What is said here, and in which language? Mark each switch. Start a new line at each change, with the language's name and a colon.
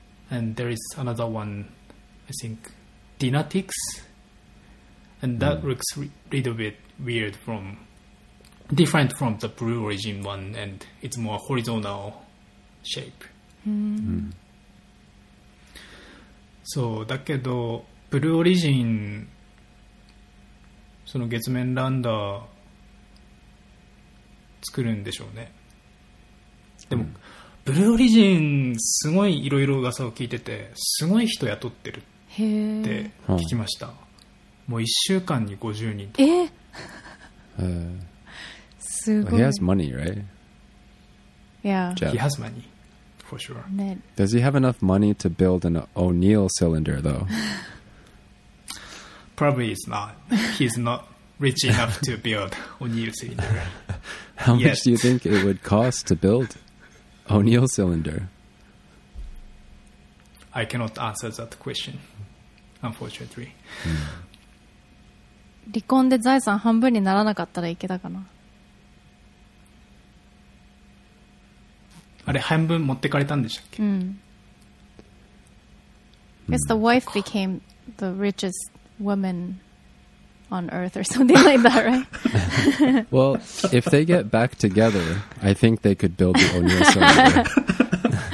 English: And there is another one, I think, Dynatix. And that、mm. looks little bit weird from, different from the Blue Origin one, and it's more horizontal shape. Mm. Mm.
Japanese: そうだけど、ブルーオリジン、その月面ランダー作るんでしょうね。でも、うん、ブルーオリジン、すごいいろいろ噂を聞いてて、すごい人雇ってるって聞きました。もう1週間に50人とか。すごい。
English: He has money, right? Yeah. He has money. For sure. Does he have enough money to build an O'Neill cylinder, though? Probably he's not. He's not rich enough to build O'Neill cylinder. How much do you think it would cost to build O'Neill cylinder? I cannot answer that question, unfortunately.
Japanese: 離婚で財産半分にならなかったらいけたかな。あれ半分持ってかれたんでしたっけ、
English: うん、Guess the wife became the richest woman on earth or something like that, right? Well, if they get back together, I think they could build the O'Neill cylinder.